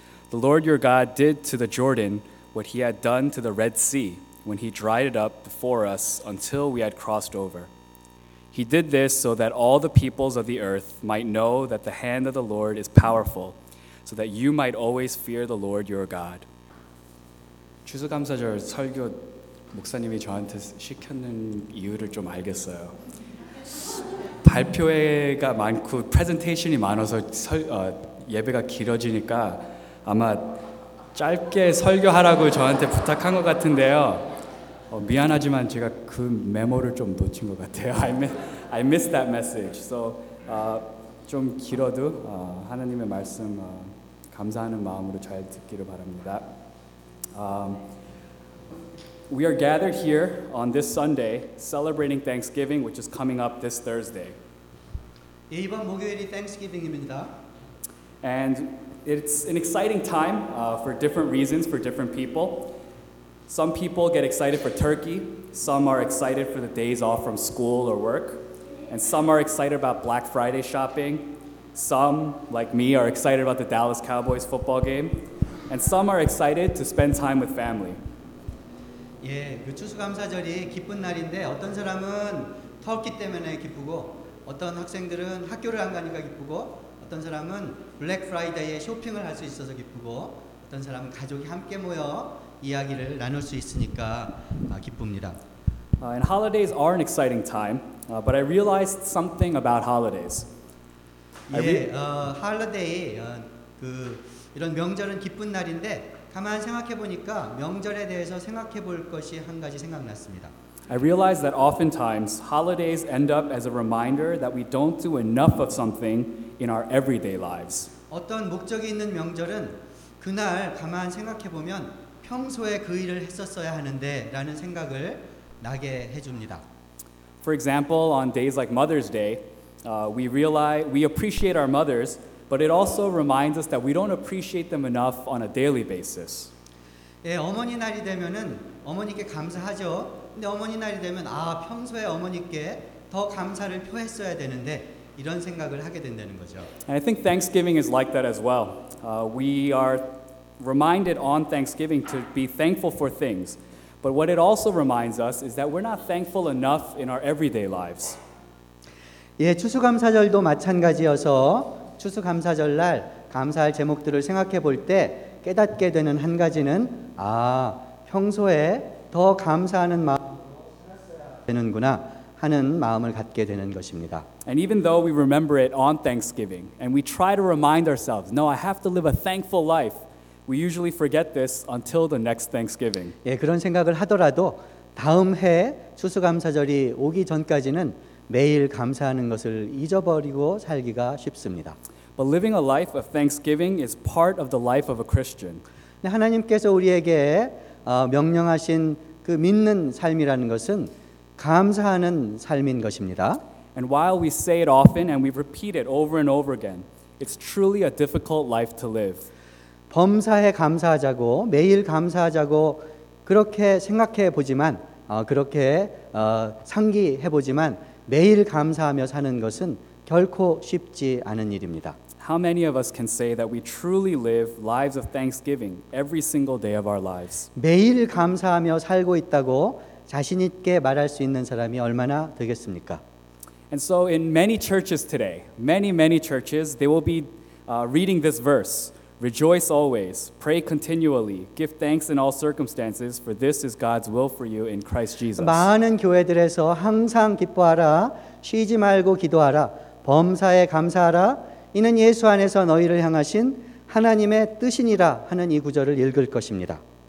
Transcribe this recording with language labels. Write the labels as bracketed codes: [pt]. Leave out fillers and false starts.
[en] The Lord your God did to the Jordan what he had done to the Red Sea when he dried it up before us until we had crossed over. He did this so that all the peoples of the earth might know that the hand of the Lord is powerful, so that you might always fear the Lord your God.'" [ko] 추수감사절 설교 목사님이 저한테 시켰는 이유를 좀 알겠어요. 발표회가 많고 프레젠테이션이 많아서 예배가 길어지니까 아마 짧게 설교하라고 저한테 부탁한 것 같은데요. 미안하지만 제가 그 메모를 좀 놓친 것 같아요. [en] I missed that message. [ko] So 좀 길어도 하나님의 말씀 감사하는 마음으로 잘 듣기를 바랍니다. [en] We are gathered here on this Sunday celebrating Thanksgiving, which is coming up this Thursday. [ko] 이번 목요일이 Thanksgiving입니다. [en] And it's an exciting time for different reasons for different people. Some people get excited for turkey, some are excited for the days off from school or work, and some are excited about Black Friday shopping. Some, like me, are excited about the Dallas Cowboys football game. And some are excited to spend time with family. [ko] 예, 추수감사절이 기쁜 날인데 어떤 사람은 터키 때문에 기쁘고 어떤 학생들은 학교를 안 가니까 기쁘고 어떤 사람은 블랙 프라이데이에 쇼핑을 할 수 있어서 기쁘고 어떤 사람은 가족이 함께 모여 이야기를 나눌 수 있으니까 기쁩니다. [en] And holidays are an exciting time, but I realized something about holidays. [ko] 예, holiday 그 이런 명절은 기쁜 날인데 가만 생각해 보니까 명절에 대해서 생각해 볼 것이 한 가지 생각났습니다. [en] I realize that oftentimes holidays end up as a reminder that we don't do enough of something in our everyday lives. [ko] 어떤 목적이 있는 명절은 그날 가만 생각해 보면 평소에 그 일을 했었어야 하는데라는 생각을 나게 해 줍니다. [en] For example, on days like Mother's Day, we appreciate our mothers. But it also reminds us that we don't appreciate them enough on a daily basis. [ko] 예, 어머니 날이 되면은 어머니께 감사하죠. 근데 어머니 날이 되면 아, 평소에 어머니께 더 감사를 표했어야 되는데 이런 생각을 하게 된다는 거죠. [en] And I think Thanksgiving is like that as well. We are reminded on Thanksgiving to be thankful for things. But what it also reminds us is that we're not thankful enough in our everyday lives. [ko] 예, 추수감사절도 마찬가지여서 추수감사절날 감사할 제목들을 생각해 볼 때 깨닫게 되는 한 가지는 아, 평소에 더 감사하는 마음으로 되는구나 하는 마음을 갖게 되는 것입니다. [en] And even though we remember it on Thanksgiving and we try to remind ourselves, "No, I have to live a thankful life." We usually forget this until the next Thanksgiving. [ko] 예, 그런 생각을 하더라도 다음 해 추수감사절이 오기 전까지는 매일 감사하는 것을 잊어버리고 살기가 쉽습니다. [en] But living a life of thanksgiving is part of the life of a Christian. [ko] 하나님께서 우리에게 명령하신 그 믿는 삶이라는 것은 감사하는 삶인 것입니다. [en] And while we say it often and we repeat it over and over again, it's truly a difficult life to live. [ko] 범사에 감사하자고 매일 감사하자고 그렇게 생각해 보지만 그렇게 상기해 보지만 매일 감사하며 사는 것은 결코 쉽지 않은 일입니다. [en] How many of us can say that we truly live lives of thanksgiving every single day of our lives? [ko] 매일 감사하며 살고 있다고 자신 있게 말할 수 있는 사람이 얼마나 되겠습니까? [en] And so in many churches today, many churches, they will be reading this verse. Rejoice always, pray continually, give thanks in all circumstances, for this is God's will for you in Christ Jesus. [ko] 많은 교회들에서 항상 기뻐하라, 쉬지 말고 기도하라, 범사에 감사하라, 이는 예수 안에서 너희를 향하신 하나님의 뜻이니라 하는 이 구절을 읽을 것입니다.